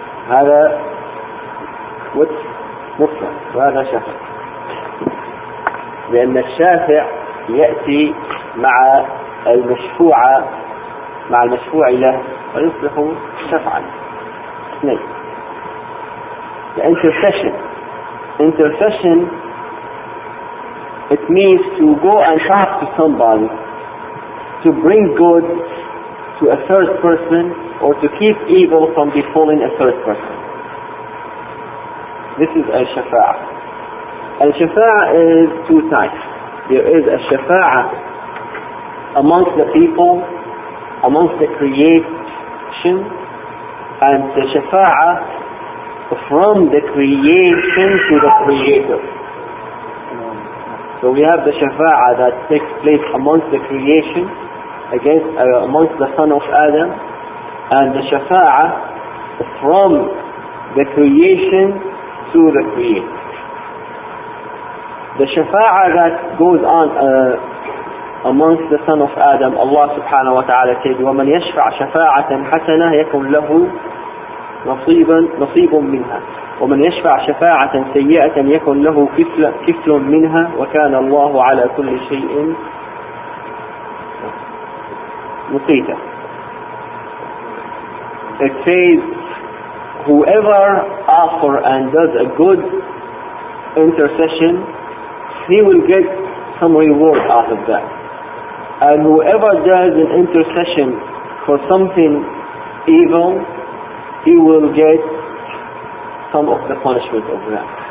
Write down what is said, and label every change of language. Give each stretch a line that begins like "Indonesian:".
Arabic: هذا وجه مفرد وهذا شفع، لأن الشافع يأتي مع المشفوع، مع المشفوع له، ويصبح شفعا.
English: اثنين، intercession. Intercession it means to go and talk to somebody, to bring good to a third person, or to keep evil from befalling a third person. This is al-shafa'a. Al-shafa'a is two types. There is al-shafa'a amongst the people, amongst the creation, and the shafa'a from the creation to the creator. So we have the shafa'a that takes place amongst the creation, against amongst the son of Adam, and the shafa'a from the creation to the creator. The shafa'a that goes on amongst the son of Adam, Allah subhanahu wa ta'ala said,
Arabic: وَمَنْ يَشْفَعْ شَفَاعَةً حَسَنَةً يَكُنْ لَهُ نَصِيبٌ مِنْهَا وَمَنْ يَشْفَعْ شَفَاعَةً سَيِّئَةً يَكُنْ لَهُ كِفْلٌ مِنْهَا وَكَانَ اللَّهُ عَلَى كُلِّ شَيْءٍ مُقِيتًا.
English: It says, whoever offer and does a good intercession, he will get some reward out of that. And whoever does an intercession for something evil, he will get some of the punishment of that.